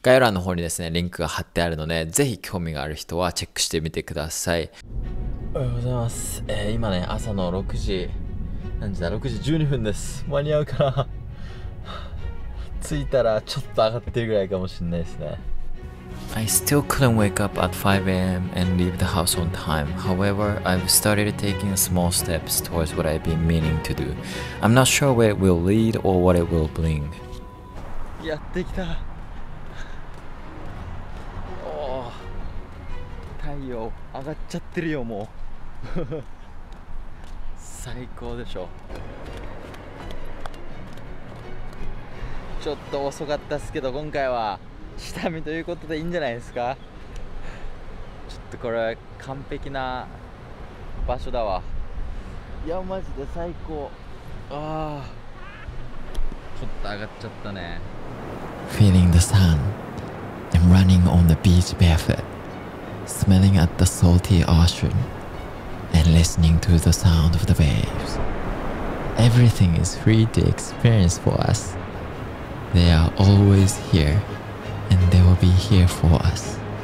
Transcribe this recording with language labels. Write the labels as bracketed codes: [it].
[ja] 概要欄の方にですね、リンクが貼ってあるので、ぜひ興味がある人はチェックしてみてください。おはようございます。今ね、朝の6時、何時だ ?6 時12分です。間に合うかな着いたらちょっと上がってるぐらいかもしれないですね。 [en] I still couldn't wake up at 5 a.m. and leave the house on time. However, I've started taking small steps towards what I've been meaning to do. I'm not sure where it will lead or what it will bring. [ja] やってきた。おお、太陽上がっちゃってるよもう。最高でしょ。ちょっと遅かったっすけど、今回は下見ということでいいんじゃないですか。ちょっとこれ完璧な場所だわ。いやマジで最高。ああちょっと上がっちゃったね。 [en] Feeling the sun and running on the beach barefoot, smelling at the salty ocean and listening to the sound of the waves. Everything is free to experience for us. They are always hereAnd they will be here for us.